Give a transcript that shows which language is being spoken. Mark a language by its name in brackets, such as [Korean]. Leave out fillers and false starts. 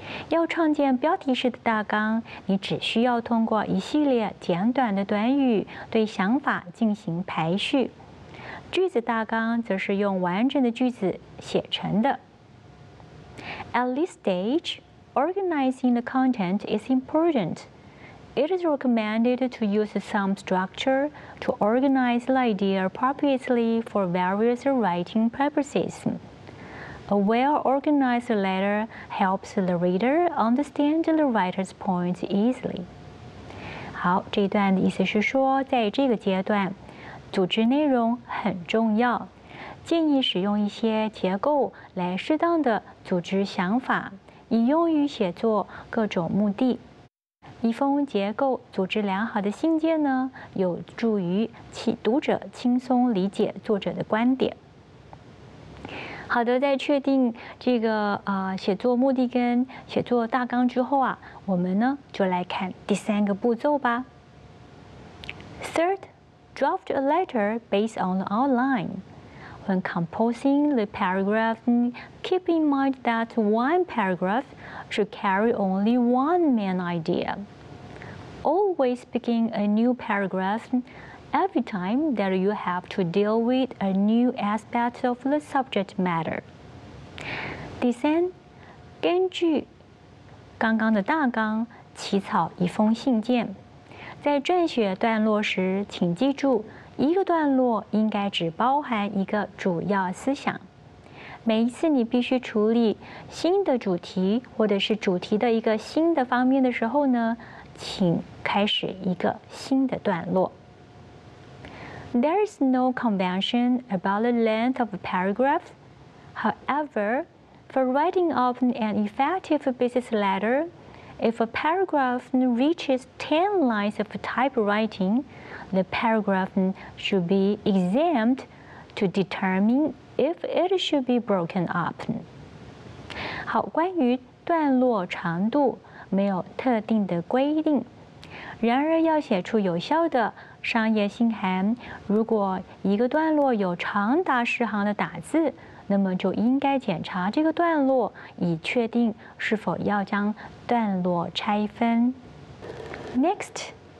[Chinese] 要创建标题式的大纲，你只需要通过一系列简短的短语对想法进行排序。句子大纲则是用完整的句子写成的。 [English] At this stage, organizing the content is important. It is recommended to use some structure. To organize the idea appropriately for various writing purposes. A well-organized letter helps the reader understand the writer's point easily. [Chinese] 好，这一段的意思是说，在这个阶段，组织内容很重要，建议使用一些结构来适当的组织想法，以用于写作各种目的。一封结构组织良好的信件呢，有助于读者轻松理解作者的观点。好的，在确定这个写作目的跟写作大纲之后啊，我们呢就来看第三个步骤吧。 [English] Third, draft a letter based on the outline. When composing the paragraph, keep in mind that one paragraph should carry only one main idea. Always begin a new paragraph every time that you have to deal with a new aspect of the subject matter. [Chinese] 第三，根据刚刚的大纲起草一封信件。在撰写段落时，请记住，一个段落应该只包含一个主要思想。每一次你必须处理新的主题，或者是主题的一个新的方面的时候呢，请开始一个新的段落。 [English] There is no convention about the length of a paragraph. However, for writing of an effective business letter, if a paragraph reaches 10 lines of typewriting, the paragraph should be examined to determine if it should be broken up. [Chinese] 好，关于段落长度没有特定的规定。然而要写出有效的商业信函，如果一个段落有长达十行的打字，那么就应该检查这个段落，以确定是否要将段落拆分。 [English] Next,